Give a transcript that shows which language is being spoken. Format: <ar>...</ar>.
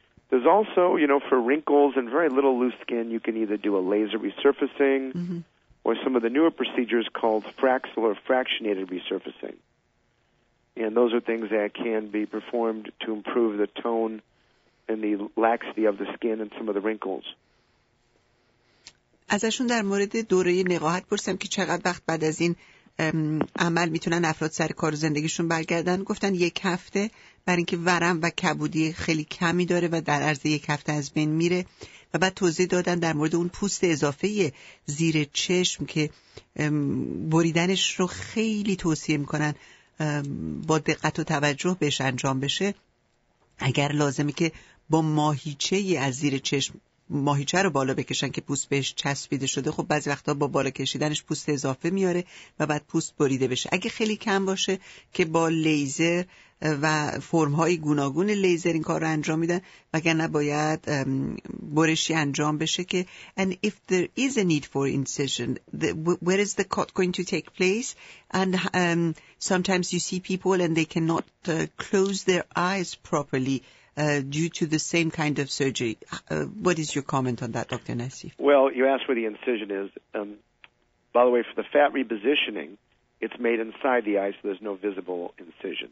<en>There's also, you know, for wrinkles and very little loose skin, you can either do a laser resurfacing mm-hmm. or some of the newer procedures called Fraxel or fractionated resurfacing. And those are things that can be performed to improve the tone and the laxity of the skin and some of the wrinkles.</en> <fa>ازشون در مورد دوره نقاهت پرسیدم که چقدر وقت بعد از این عمل میتونن افراد سر کار و زندگیشون برگردن. گفتن یک هفته برای اینکه ورم و کبودی خیلی کمی داره و در عرض یک هفته از بین میره. و بعد توضیح دادن در مورد اون پوست اضافه زیر چشم که بریدنش رو خیلی توصیه میکنن با دقت و توجه بهش انجام بشه. اگر لازمه که با ماهیچه از زیر چشم ماهیچه رو بالا بکشن که پوست بهش چسبیده شده، خب بعضی وقتا با بالا کشیدنش پوست اضافه میاره و بعد پوست بریده بشه. اگه خیلی کم باشه که با لیزر و فرم‌های گوناگون لیزر این کار رو انجام میدن، وگرنه باید برشی انجام بشه که</fa> <en>and if there is a need for incision, where is the cut going to take place? And sometimes you see people and they cannot close their eyes properly due to the same kind of surgery. What is your comment on that, Dr. Nassif? Well, you asked where the incision is. By the way, for the fat repositioning, it's made inside the eye, so there's no visible incision.</en>